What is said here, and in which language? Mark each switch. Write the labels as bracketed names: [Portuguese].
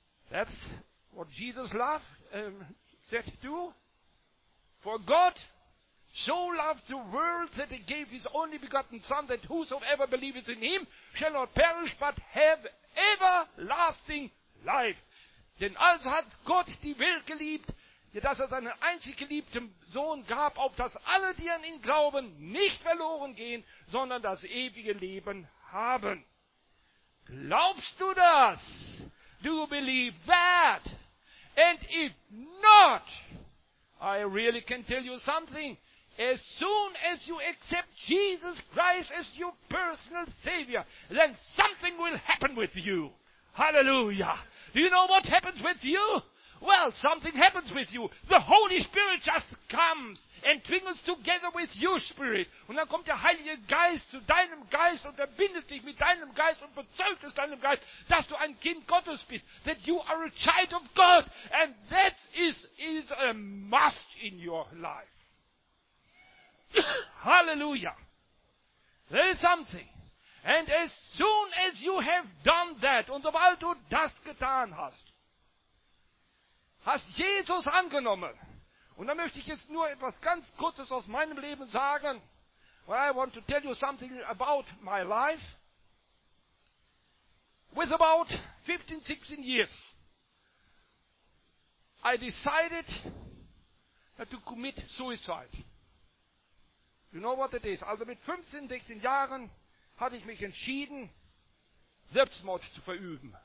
[English] That's what Jesus said to. For God so loved the world that he gave his only begotten Son, that whosoever believeth in him shall not perish, but have everlasting life. [German] Denn also hat Gott die Welt geliebt, dass er seinen einzig geliebten Sohn gab, auf dass alle, die an ihn glauben, nicht verloren gehen, sondern das ewige Leben haben. Glaubst du das? [English] Do you believe that? And if not, I really can tell you something. As soon as you accept Jesus Christ as your personal Savior, then something will happen with you. Hallelujah. Do you know what happens with you? Well, something happens with you. The Holy Spirit just comes and twinkles together with your spirit. [German] Und dann kommt der Heilige Geist zu deinem Geist und verbindet sich mit deinem Geist und bezeugt es deinem Geist, dass du ein Kind Gottes bist. [English] That you are a child of God. And that is a must in your life. Hallelujah. There is something. And as soon as you have done that, [German] und sobald du das getan hast, hast Jesus angenommen. Und da möchte ich jetzt nur etwas ganz Kurzes aus meinem Leben sagen. [English] Well, I want to tell you something about my life. With about 15, 16 years, I decided to commit suicide. You know what it is? [German] Also mit 15, 16 Jahren hatte ich mich entschieden, Selbstmord zu verüben.